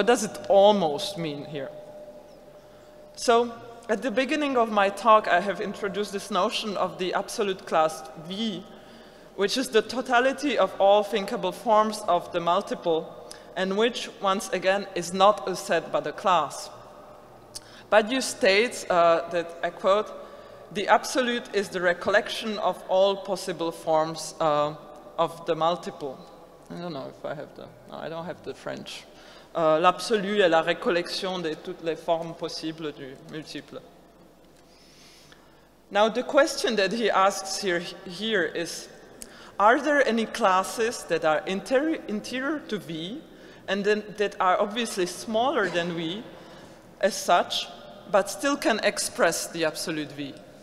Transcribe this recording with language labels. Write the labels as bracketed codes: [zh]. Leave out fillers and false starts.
[en] What does it almost mean here? So at the beginning of my talk, I have introduced this notion of the absolute class V, which is the totality of all thinkable forms of the multiple, and which, once again, is not a set but a class. Badiou states that, I quote, the absolute is the recollection of all possible forms of the multiple. I don't know if I have the, no, I don't have the French. [fr] L'absolu est la recollection de toutes les formes possibles du multiple. [en] Now, the question that he asks here is, are there any classes that are interior to V and then that are obviously smaller than V as such, but still can express the absolute V?